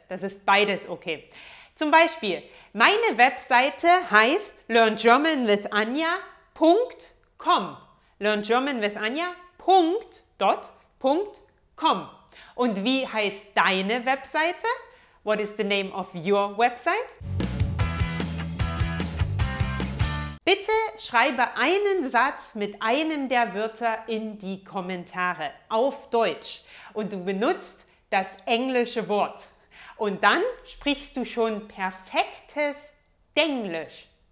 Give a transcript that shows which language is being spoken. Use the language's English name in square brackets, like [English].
[German] Das ist beides okay. Zum Beispiel, meine Webseite heißt learngermanwithanya.com. learngermanwithanya.com. Und wie heißt deine Webseite? [English] What is the name of your website? [German] Bitte schreibe einen Satz mit einem der Wörter in die Kommentare auf Deutsch und du benutzt das englische Wort. Und dann sprichst du schon perfektes Denglisch.